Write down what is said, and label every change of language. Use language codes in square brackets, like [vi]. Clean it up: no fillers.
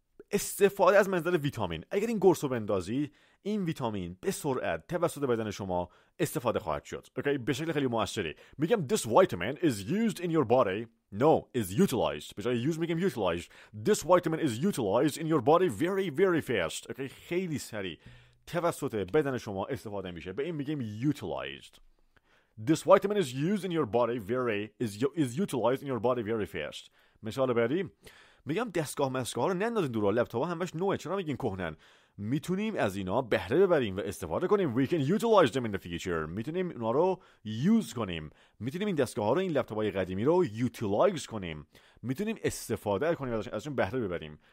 [fa] استفاده از منظر ویتامین، اگر این گرسو بندازی، این ویتامین به سرعت توسط بدن شما استفاده خواهد شد. اوکی، به شکل خیلی موثری میگم [en] this vitamin is used in your body. No, is utilized. [fa] به جای [en] use میگم utilized. This vitamin is utilized in your body very very fast. [fa] اوکی، خیلی سریع توسط بدن شما استفاده میشه. به این میگم utilized. [en] This vitamin is used in your body very is utilized in your body very fast. [fa] مثال بعدی میگم دستگاه مسکه ها رو نندازین دور، لپتاپ ها همش نوعه، چرا میگین کهنن؟ میتونیم از اینا بهره ببریم و استفاده کنیم. [en] We can utilize them in the future. [fa] میتونیم اونا رو use کنیم. میتونیم این دستگاه ها رو، این لپتاپ های قدیمی رو utilize کنیم. میتونیم استفاده کنیم ازشون بهره ببریم.